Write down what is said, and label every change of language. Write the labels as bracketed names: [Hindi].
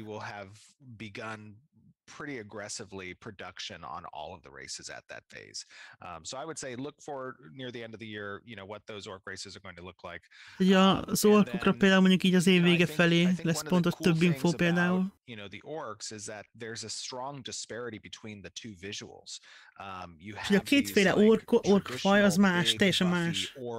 [English] We will have begun pretty aggressively production on all of the races at that phase. So I would say look for near the end of the year, you know, what those orc races are going to look like. [Hungarian] Ja, az orkokra például mondjuk így az év vége felé lesz pontos több info például. [English] You know, the orcs is that there's a strong disparity between the two visuals. [Hungarian] A kétféle ork faj az más, teljesen más.